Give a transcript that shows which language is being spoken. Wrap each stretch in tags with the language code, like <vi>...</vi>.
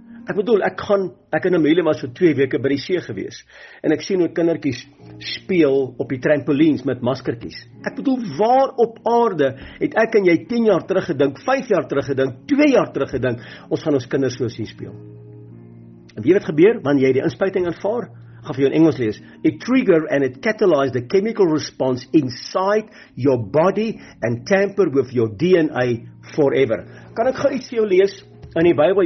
<af>Ek bedoel, ek in Amelia was vir 2 weke by die see gewees, en ek sien hoe kindertjies speel op die trampolines met maskertjies. Ek bedoel, waar op aarde het ek en jy 10 jaar terug gedink, 5 jaar terug gedink, 2 jaar terug gedink, ons gaan ons kinders so sien speel. En weet wat gebeur, wanneer jy die inspuiting ervaar, gaan vir jou in Engels lees.</af> <en>It trigger and it catalyze the chemical response inside your body and tamper with your DNA forever. Kan ek gou iets vir jou lees in die Bybel?</en>